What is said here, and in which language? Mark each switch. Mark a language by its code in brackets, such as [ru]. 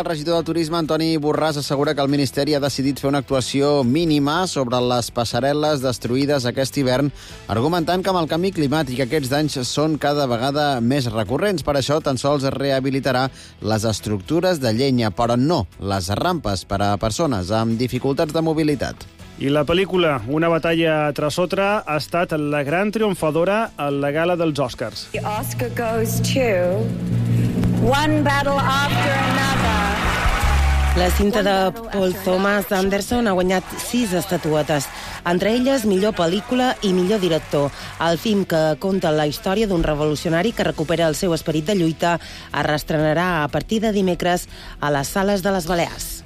[ca] El regidor de Turisme, Antoni Borràs, assegura que el Ministeri ha decidit fer una actuació mínima sobre les passarel·les destruïdes aquest hivern, argumentant que amb el canvi climàtic aquests danys són cada vegada més recurrents. Per això, tan sols es rehabilitarà les estructures de llenya, però no les rampes per a persones amb dificultats de mobilitat. I la pel·lícula, [es] una batalla tras otra, [ca] ha estat la gran triomfadora a la gala dels Oscars. [en] The Oscar goes to... One battle after another. [ca] La cinta de Paul Thomas Anderson ha guanyat 6 estatuetes, entre elles millor pel·lícula i millor director. El film, que conta la història d'un revolucionari que recupera el seu esperit de lluita, es reestrenarà a partir de dimecres a les sales de les Balears.